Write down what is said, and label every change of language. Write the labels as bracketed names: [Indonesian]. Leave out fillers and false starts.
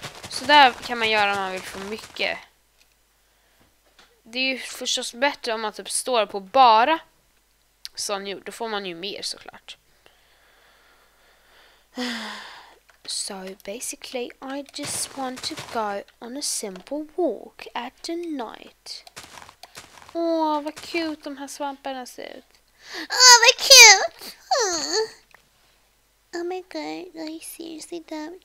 [Swedish] Så där kan man göra om man vill få mycket. Det är ju förstås bättre om man typ står på bara sån jord. Då får man ju mer såklart. [English] So basically, I just want to go on a simple walk at the night. [Swedish] Åh, oh, vad cute de här svamparna ser ut. Åh, oh, vad cute! [English] Oh. Oh my god, are you seriously dumb?